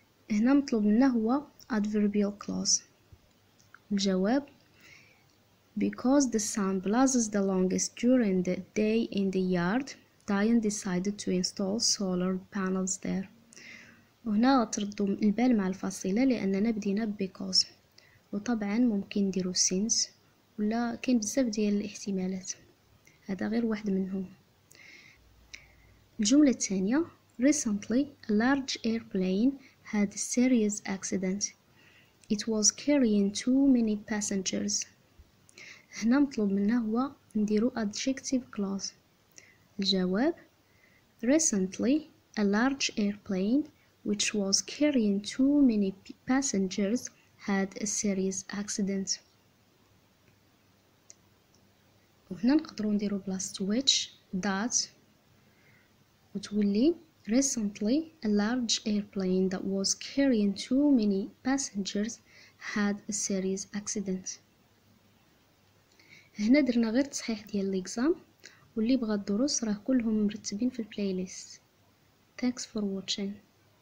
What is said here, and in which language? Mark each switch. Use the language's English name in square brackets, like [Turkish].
[Arabic] هنا مطلوب منا هو adverbial clause. الجواب [English] Because the sun blazes the longest during the day in the yard, Diane decided to install solar panels there. [Arabic] وهنا تردو البال مع الفاصلة لأننا بدينا because. وطبعا ممكن نديرو since ولا كاين بزاف ديال الاحتمالات. هذا غير واحد منهم. الجملة الثانية [English] Recently, a large airplane had a serious accident. It was carrying too many passengers. [Arabic] هنا مطلوب منا هو نديرو adjective clause. [English] الجواب Recently, a large airplane which was carrying too many passengers had a serious accident. [Arabic] وهنا نقدرو نديرو [English] plus which that [Arabic] وتولي [English] Recently, a large airplane that was carrying too many passengers had a serious accident. [Arabic] هنا درنا غير تصحيح ديال الإكزام واللي بغى الدروس راه كلهم مرتبين في البلاي ليست. [English] Thanks for watching.